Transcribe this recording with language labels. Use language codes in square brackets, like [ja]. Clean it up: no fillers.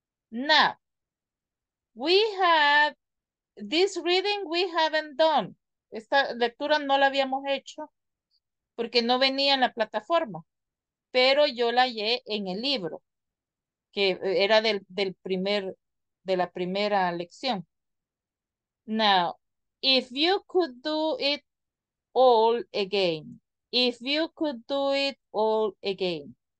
[en] Now, we have this reading we haven't done. [es] Esta lectura no la habíamos hecho porque no venía en la plataforma, pero yo la hallé en el libro, que era de la primera lección. [en] Now, if you could do it all again, if you could do it all again.